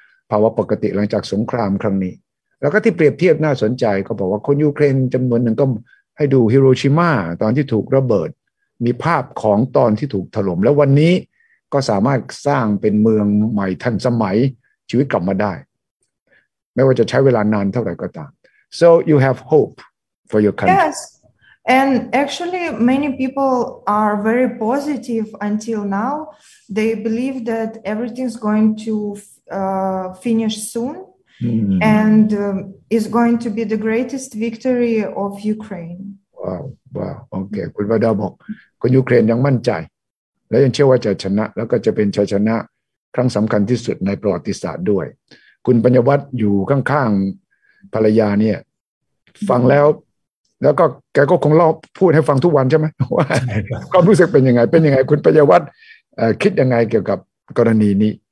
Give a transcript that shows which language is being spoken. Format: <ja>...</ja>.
<th>ภาวะปกติหลังจากสงครามครั้งนี้แล้วก็ที่เปรียบเทียบน่าสนใจก็บอกว่าคนยูเครนจำนวนหนึ่งก็ให้ดูฮิโรชิม่าตอนที่ถูกระเบิดมีภาพของตอนที่ถูกถล่มแล้ววันนี้ก็สามารถสร้างเป็นเมืองใหม่ทันสมัยชีวิตกลับมาได้ไม่ว่าจะใช้เวลานานเท่าไหร่ก็ตาม</th> <en>so you have hope for your country yes and actually many people are very positive until now they believe that everything's going to finish soonMm-hmm. And is going to be the greatest victory of Ukraine. Wow. Okay.</en> <th>คุณวราดาบอกคนยูเครนยังมั่นใจและยังเชื่อว่าจะชนะแล้วก็จะเป็นชัยชนะครั้งสำคัญที่สุดในประวัติศาสตร์ด้วยคุณปัญญวัฒน์อยู่ข้างๆภรรยาเนี่ยฟังแล้วแล้วก็แกก็คงเล่าพูดให้ฟังทุกวันใช่ไหมว่าความรู้สึกเป็นยังไงเป็นยังไงคุณปัญญวัฒน์คิดยังไงเกี่ยวกับกรณีนี</th>